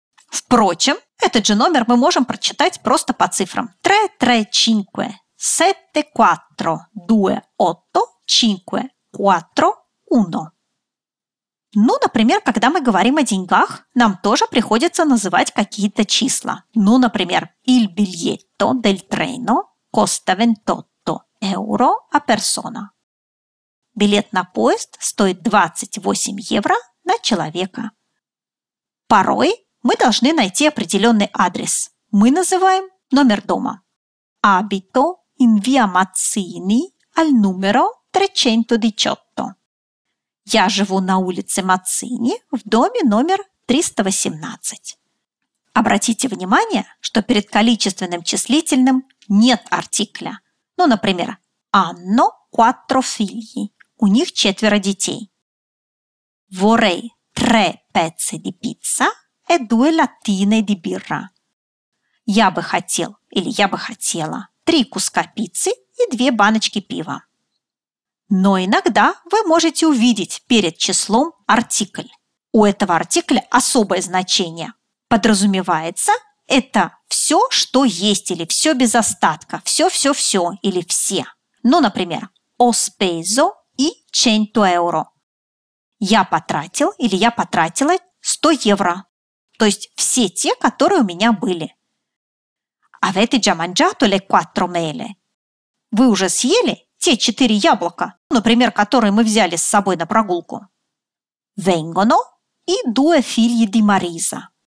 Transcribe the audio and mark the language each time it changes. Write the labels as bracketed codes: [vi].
[ru] Впрочем, этот же номер мы можем прочитать просто по цифрам. 335 74 28 541. Ну, например, когда мы говорим о деньгах, нам тоже приходится называть какие-то числа. Ну, например, [it] il biglietto del treno costa 28 euro a persona. [ru] Билет на поезд стоит 28 евро на человека. Порой мы должны найти определенный адрес. Мы называем номер дома. [it] Abito in via Mazzini al numero 318. [ru] Я живу на улице Мацини в доме номер 318. Обратите внимание, что перед количественным числительным нет артикля. Ну, например, [it] «Hanno quattro figli» [ru] – у них четверо детей. [it] «Vorrei tre pezzi di pizza e due lattine di birra». [ru] «Я бы хотел» или «я бы хотела» – три куска пиццы и две баночки пива. Но иногда вы можете увидеть перед числом артикль. У этого артикля особое значение. Подразумевается, это все, что есть, или все без остатка, все-все-все, или все. Ну, например, [it] ho speso i 100 euro. [ru] Я потратил или я потратила 100 евро. То есть все те, которые у меня были. [it] Avete già mangiato le 4 mele? [ru] Вы уже съели? Те 4 яблока, например, которые мы взяли с собой на прогулку. [it] Vengono и due figli di Marisa.